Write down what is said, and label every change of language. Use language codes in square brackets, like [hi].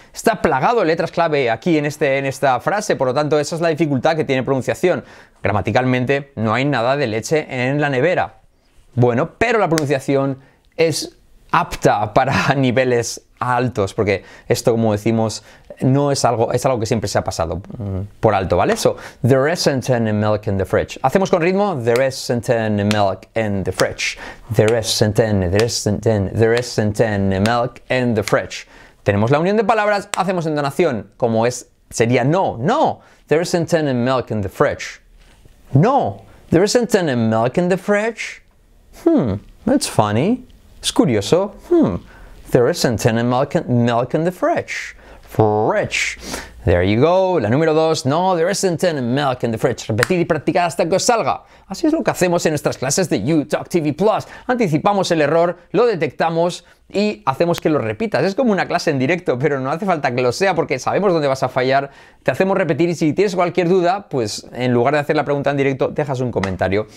[es] Está plagado de letras clave aquí en, este, en esta frase, por lo tanto, esa es la dificultad que tiene pronunciación. Gramaticalmente, no hay nada de leche en la nevera. Bueno, pero la pronunciación es apta para niveles altos, porque esto, como decimos, no es algo, es algo que siempre se ha pasado por alto, ¿vale? [en] So, there isn't any milk in the fridge. [es] Hacemos con ritmo, [en] there isn't any milk in the fridge. There isn't any, there isn't any, there isn't any milk in the fridge. [es] Tenemos la unión de palabras, hacemos entonación, como es, sería no, no, [en] there isn't any milk in the fridge. No, there isn't any milk in the fridge. Hmm, that's funny. [es] Es curioso. [en] Hmm, there isn't any milk in the fridge. Fridge. There you go. [es] La número dos. [en] No, there isn't any milk in the fridge. [es] Repetid y practicad hasta que os salga. Así es lo que hacemos en nuestras clases de YouTalk TV Plus. Anticipamos el error, lo detectamos y hacemos que lo repitas. Es como una clase en directo, pero no hace falta que lo sea porque sabemos dónde vas a fallar. Te hacemos repetir y si tienes cualquier duda, pues en lugar de hacer la pregunta en directo, dejas un comentario.